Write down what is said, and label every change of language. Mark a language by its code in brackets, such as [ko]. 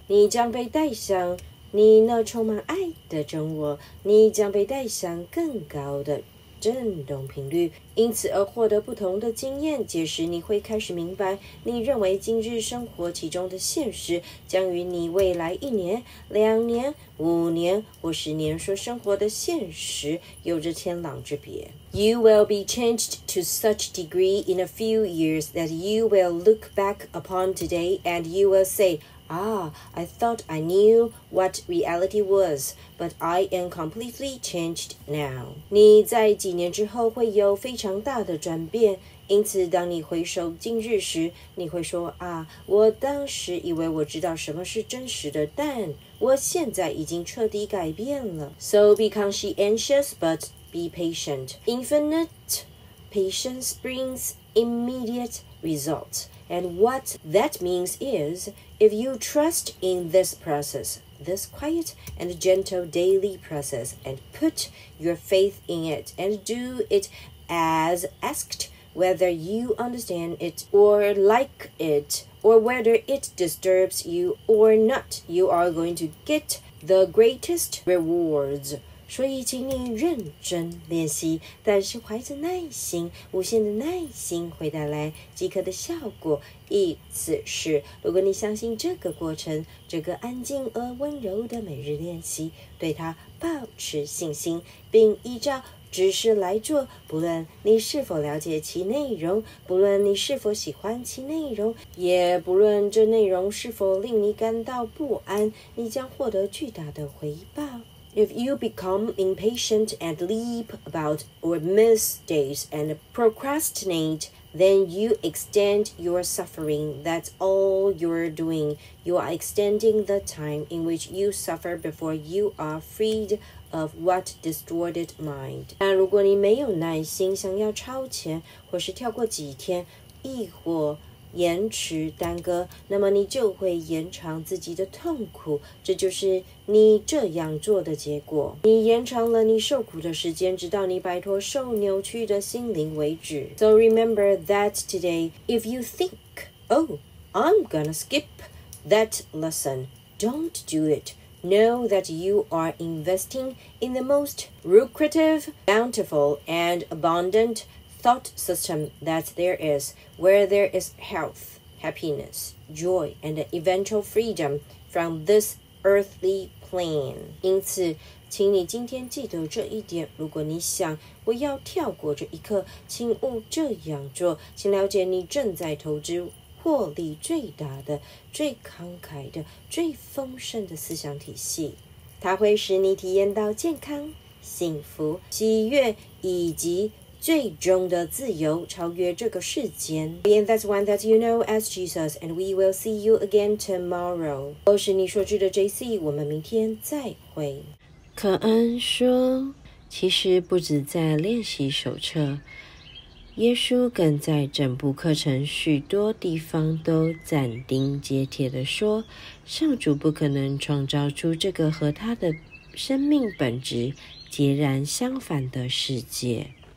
[zh] 你将被带向你那充满爱的中国，你将被带向更高的振动频率，因此而获得不同的经验。届时你会开始明白，你认为今日生活其中的现实，将与你未来一年、两年、五年或十年所生活的现实有着天壤之别。 [en] You will be changed to such degree in a few years that you will look back upon today and you will say,Ah, I thought I knew what reality was, but I am completely changed now. [zh] 你在几年之后会有非常大的转变，因此当你回首今日时，你会说，啊，我当时以为我知道什么是真实的，但我现在已经彻底改变了。 [en] So be conscientious, but be patient. Infinite patience brings immediate results. And what that means is, if you trust in this process, this quiet and gentle daily process, and put your faith in it, and do it as asked, whether you understand it or like it, or whether it disturbs you or not, you are going to get the greatest rewards. [zh] 所以请你认真练习，但是怀着耐心，无限的耐心会带来即刻的效果。意思是，如果你相信这个过程，这个安静而温柔的每日练习，对它保持信心，并依照指示来做，不论你是否了解其内容，不论你是否喜欢其内容，也不论这内容是否令你感到不安，你将获得巨大的回报。 [en] If you become impatient and leap about or miss days and procrastinate, then you extend your suffering. That's all you're doing. You are extending the time in which you suffer before you are freed of what distorted mind. [zh] 但如果你没有耐心想要超前或是跳过几天亦或延迟耽搁，那么你就会延长自己的痛苦，这就是你这样做的结果。你延长了你受苦的时间，直到你摆脱受扭曲的心灵为止。 [en] So remember that today, if you think, Oh, I'm gonna skip that lesson, Don't do it. Know that you are investing in the most lucrative, bountiful, and abundantThought system that there is, where there is health, happiness, joy, and eventual freedom from this earthly plane. [zh] 因此，请你今天记得这一点。如果你想我要跳过这一刻，请勿这样做。请了解你正在投资获利最大的、最慷慨的、最丰盛的思想体系，它会使你体验到健康、幸福、喜悦以及。最终的自由超越这个世间。 [en] And that's one that you know as Jesus, and we will see you again tomorrow. [zh] 我是你说句的 JC, 我们明天再会。可恩说，其实不止在练习手册，耶稣更在整部课程许多地方都斩钉截铁地说，上主不可能创造出这个和他的生命本质截然相反的世界。